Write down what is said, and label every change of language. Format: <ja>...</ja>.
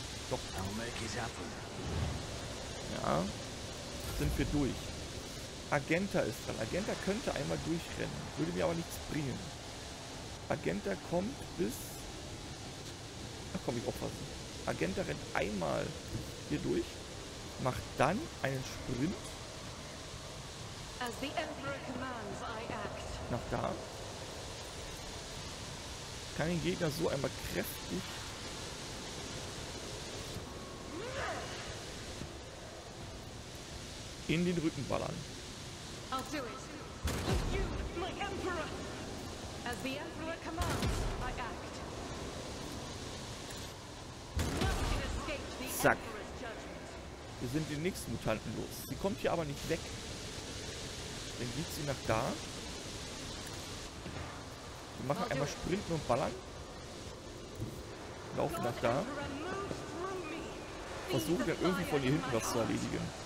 <de>Doch. Ja. Sind wir durch. Agenta ist dran. Agenta könnte einmal durchrennen. Würde mir aber nichts bringen. Agenta kommt bis. Ach komm, ich aufpassen. Agenta rennt einmal hier durch, macht dann einen Sprint.</de> <en>As the Emperor commands, I act.</en> <de>Nach da. Kann den Gegner so einmal kräftig.</de> <en>In den Rücken ballern. I'll do it. You, my Emperor. As the Emperor commands, I act.</en> <de>Zack. Wir sind den nächsten Mutanten los. Sie kommt hier aber nicht weg. Dann geht sie nach da. Wir machen einmal Sprinten und Ballern. Laufen nach da. Versuchen wir irgendwie von ihr hinten was zu erledigen.</de>